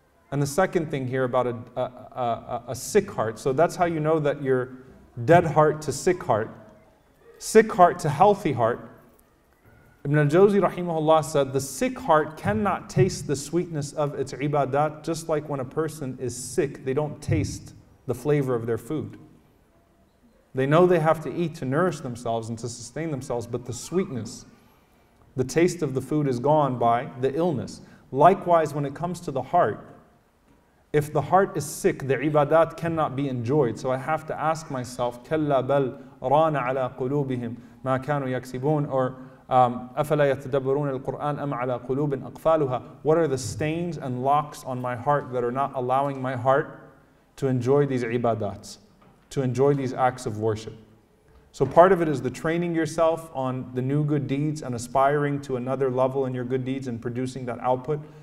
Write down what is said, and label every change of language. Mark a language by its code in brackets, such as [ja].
[en] And the second thing here about a sick heart, so that's how you know that your dead heart to sick heart to healthy heart, Ibn al-Jawzi rahimahullah said, the sick heart cannot taste the sweetness of its ibadat, just like when a person is sick, they don't taste the flavor of their food. They know they have to eat to nourish themselves and to sustain themselves, but the sweetness, the taste of the food is gone by the illness. Likewise, when it comes to the heart, if the heart is sick, the ibadat cannot be enjoyed. So I have to ask myself, [ar] كلا بل ران على قلوبهم ما كانوا يكسبون, or أفلا يتدبرون القرآن أم على قلوب أقفالها. [en] What are the stains and locks on my heart that are not allowing my heart to enjoy these ibadats, to enjoy these acts of worship? So part of it is the training yourself on the new good deeds and aspiring to another level in your good deeds and producing that output.